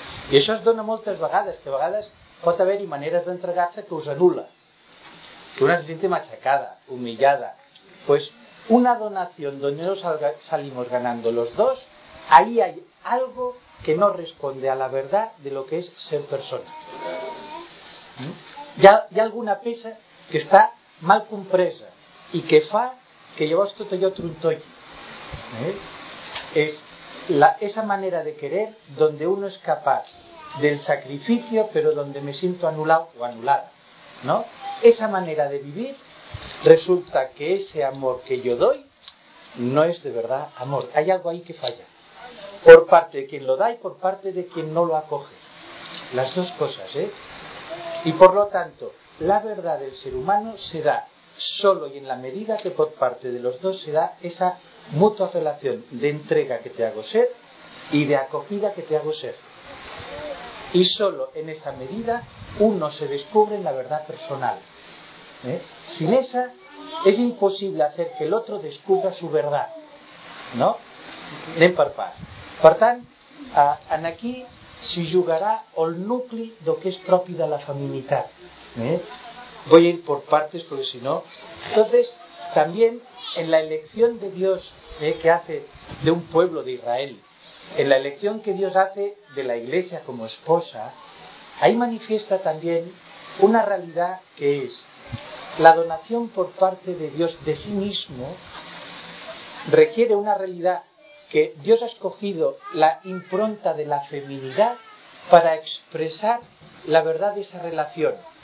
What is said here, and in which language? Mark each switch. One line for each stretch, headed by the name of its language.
Spanish: Y eso es
Catalan: dona moltes vegades, que a vegades pot haver-hi maneres d'entregar-se que us anula,
Spanish: que una se siente machacada, humillada. Pues una donación donde no salimos ganando los dos, ahí hay algo que no responde a la verdad de lo que es ser persona.
Catalan: Hi ha alguna peça que està mal compresa i que fa que llavors tot allò trontolli.
Spanish: És esa manera de querer donde uno es capaz del sacrificio, pero donde me siento anulado o anulada, ¿no? Esa manera de vivir, resulta que ese amor que yo doy no es de verdad amor. Hay algo ahí que falla. Por parte de quien lo da y por parte de quien no lo acoge. Las dos cosas, ¿eh? Y por lo tanto, la verdad del ser humano se da solo y en la medida que por parte de los dos se da esa mutua relación de entrega que te hago ser y de acogida que te hago ser. Y solo en esa medida uno se descubre en la verdad personal. Sin esa, es imposible hacer que el otro descubra su verdad.
Catalan: ¿No? Anem per pas. Per tant, en aquí s'hi jugarà el nucli del que és propi de la feminitat.
Spanish: Voy a ir por partes porque si no... Entonces, también en la elección de Dios que hace de un pueblo de Israel, en la elección que Dios hace de la iglesia como esposa, ahí manifiesta también una realidad que es la donación por parte de Dios de sí mismo requiere una realidad que Dios ha escogido la impronta de la feminidad para expresar la verdad de esa relación.